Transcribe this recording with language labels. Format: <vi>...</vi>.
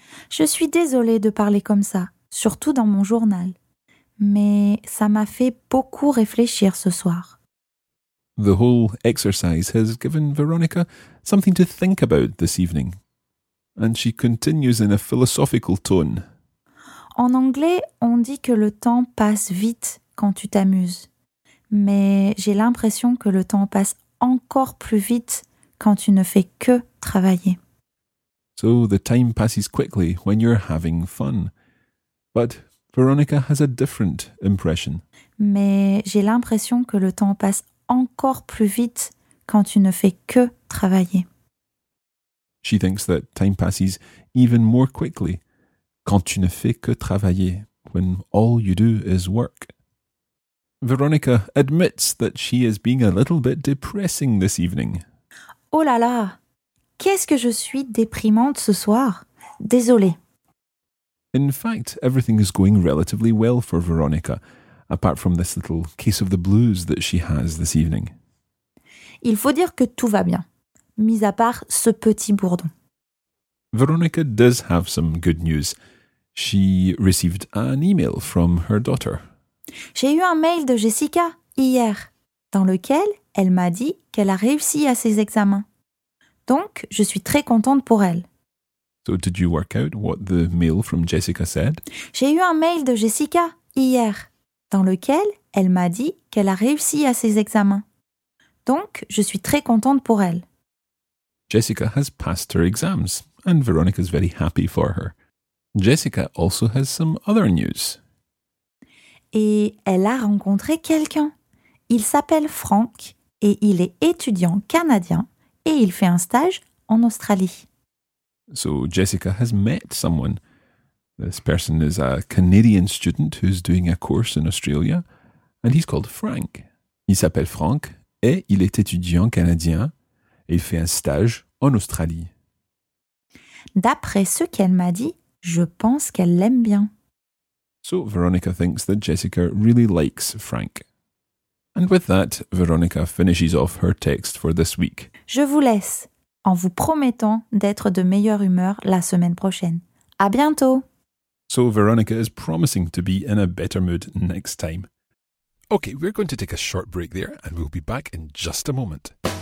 <fr>Je suis désolée de parler comme ça, surtout dans mon journal. Mais ça m'a fait beaucoup réfléchir ce soir.</fr> <en>The whole exercise has given Veronica something to think about this evening. And she continues in a philosophical tone.</en> <fr>En anglais, on dit que le temps passe vite quand tu t'amuses. Mais j'ai l'impression que le temps passe encore plus vite quand tu ne fais que travailler.</fr> <en>So the time passes quickly when you're having fun. But Veronica has a different impression.</en> <fr>Mais j'ai l'impression que le temps passe encore plus vite quand tu ne fais que travailler.</fr> <en>She thinks that time passes even more quickly</en> <fr>quand tu ne fais que travailler,</fr> <en>when all you do is work. Veronica admits that she is being a little bit depressing this evening.</en> <fr>Oh là là! Qu'est-ce que je suis déprimante ce soir? Désolée.</fr> <en>In fact, everything is going relatively well for Veronica, apart from this little case of the blues that she has this evening.</en> <fr>Il faut dire que tout va bien, mis à part ce petit bourdon.</fr> <en>Veronica does have some good news. She received an email from her daughter.</en> <fr>J'ai eu un mail de Jessica hier, dans lequel elle m'a dit qu'elle a réussi à ses examens. Donc, je suis très contente pour elle.</fr> <en>So did you work out what the mail from Jessica said?</en> <fr>J'ai eu un mail de Jessica hier, dans lequel elle m'a dit qu'elle a réussi à ses examens. Donc, je suis très contente pour elle.</fr> <en>Jessica has passed her exams, and Veronica is very happy for her. Jessica also has some other news.</en> <fr>Et elle a rencontré quelqu'un. Il s'appelle Frank et il est étudiant canadien et il fait un stage en Australie.</fr> <en>So Jessica has met someone. This person is a Canadian student who's doing a course in Australia and he's called Frank.</en> <fr>Il s'appelle Frank et il est étudiant canadien et il fait un stage en Australie. D'après ce qu'elle m'a dit, je pense qu'elle l'aime bien.</fr> <en>So Veronica thinks that Jessica really likes Frank. And with that, Veronica finishes off her text for this week.</en> <fr>Je vous laisse, en vous promettant d'être de meilleure humeur la semaine prochaine. À bientôt!</fr> <en>So Veronica is promising to be in a better mood next time. Okay, we're going to take a short break there and we'll be back in just a moment.</en>